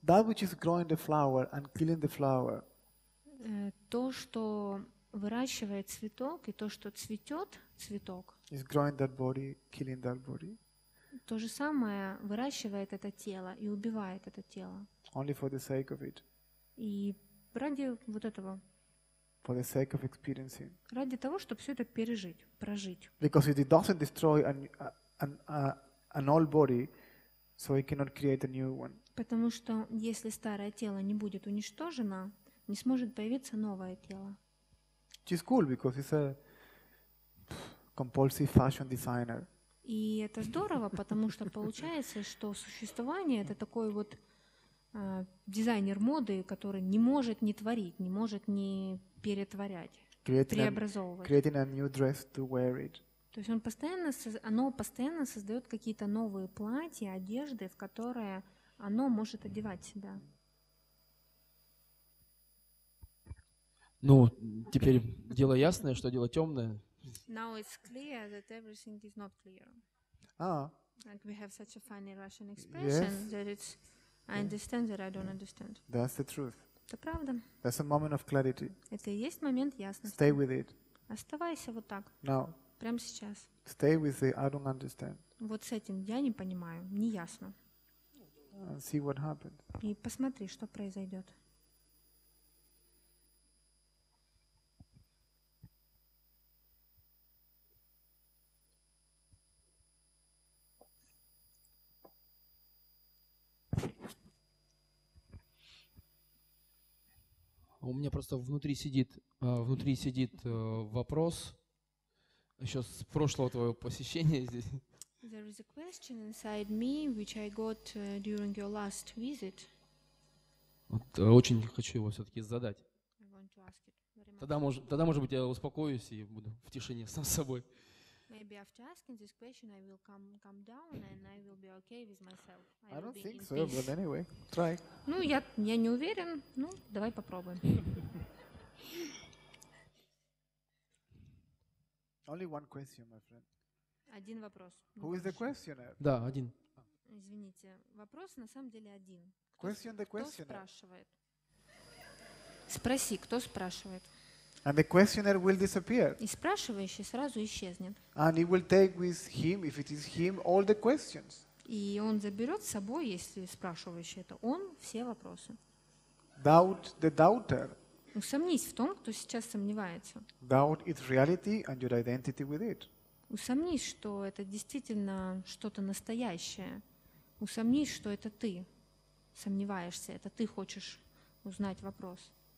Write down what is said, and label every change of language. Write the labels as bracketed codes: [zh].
[en] That which is growing the flower and killing the flower. [ru] То, что выращивает цветок, и то, что цветет цветок. [en] Is growing that body, killing that body. [ru] То же самое выращивает это тело и убивает это тело. [en] Only for the sake of it. [ru] И ради вот этого. [en] For the sake of experiencing. [ru] Ради того, чтобы все это пережить, прожить. [en] Because it doesn't destroy an old body, so it cannot create a new one. [ru] Потому что если старое тело не будет уничтожено, не сможет появиться новое тело. [en] Which is cool because it's a compulsive fashion designer. [ru] И это здорово, потому что получается, что существование это такой вот дизайнер моды, который не может не творить, не может не перетворять, преобразовывать. [en] Creating a new dress to wear it. [ru] То есть оно постоянно создает какие-то новые платья, одежды, в которые оно может одевать себя. Ну, теперь дело ясное, что дело темное. [en] Now it's clear that everything is not clear. Ah. Like we have such a funny Russian expression yes. that it's, I understand that I don't understand. That's the truth. [ru] Это правда. [en] That's a moment of clarity. [ru] Это и есть момент ясности. [en] Stay with it. [ru] Оставайся вот так. [en] Now. [ru] Прямо сейчас. [en] Stay with the I don't understand. [ru] Вот с этим я не понимаю, не ясно. [en] And see what happened. [ru] И посмотри, что произойдет. У меня просто внутри сидит вопрос еще с прошлого твоего посещения здесь. [en] There is a question inside me, which I got during your last visit. [ru] Вот, очень хочу его все-таки задать. [en] I want to ask it very much. [ru] Тогда, может быть, я успокоюсь и буду в тишине сам с собой. [en] Maybe after asking this question, I will come down and I will be okay with myself. I don't think so, but anyway, try. [ru] Ну, я не уверен. Ну, давай попробуем. [en] Only one question, my friend. [ru] Один вопрос. [en] Who is the questioner? [ru] Да, один. Извините, вопрос на самом деле один. [en] Question the questioner. [ru] Кто спрашивает? Спроси, кто спрашивает? [en] And the questioner will disappear. [ru] И спрашивающий сразу исчезнет. [en] And he will take with him, if it is him, all the questions. [ru] И он заберет с собой, если спрашивающий это он, все вопросы. [en] Doubt the doubter. [ru] Усомнись в том, кто сейчас сомневается. Doubt its reality and your identity with it. Усомнись, что это действительно что-то настоящее. Усомнись, что это ты сомневаешься, это ты хочешь узнать вопрос.